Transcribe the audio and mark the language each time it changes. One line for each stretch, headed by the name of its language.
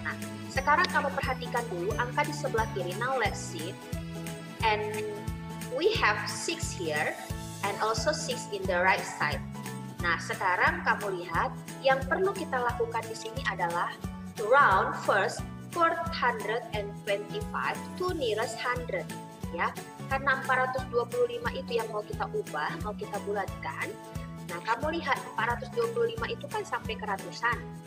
Indonesian: Nah, sekarang kamu perhatikan dulu angka di sebelah kiri.
English: Now let's see. And we have 6 here and also 6 in the right side.
Indonesian: Nah, sekarang kamu lihat yang perlu kita lakukan di sini adalah
English: round first 425 to nearest 100,
Indonesian: ya. Karena 425 itu yang mau kita ubah, mau kita bulatkan. Nah, kamu lihat 425 itu kan sampai ke ratusan.